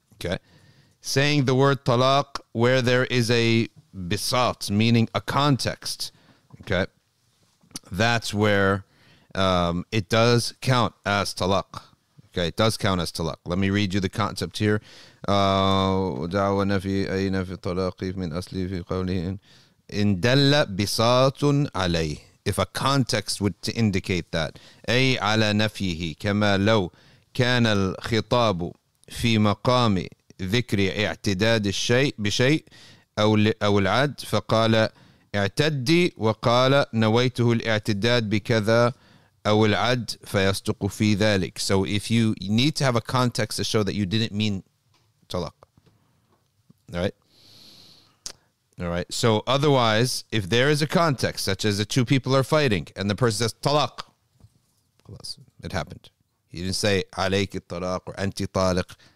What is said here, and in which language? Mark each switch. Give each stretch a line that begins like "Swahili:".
English: Okay, saying the word talaq where there is a bisat, meaning a context, okay, that's where it does count as talaq. Okay, it does count as talaq. Let me read you the concept here.
Arabic: دعوى نفي أين في الطلاق من أصله في قوله إن دل بساط عليه.
English: If a context would to indicate that,
Arabic: أي على نفيه كما لو كان الخطاب في مقام ذكر اعتداد الشيء بشيء أو العد فقال اعتدي وقال نويته الاعتداد بكذا فيصدق في ذلك.
English: So if you need to have a context to show that you didn't mean talaq, all right. So otherwise, if there is a context, such as the two people are fighting and the person says talaq, it happened. He didn't say alayk talaq or anti talaq.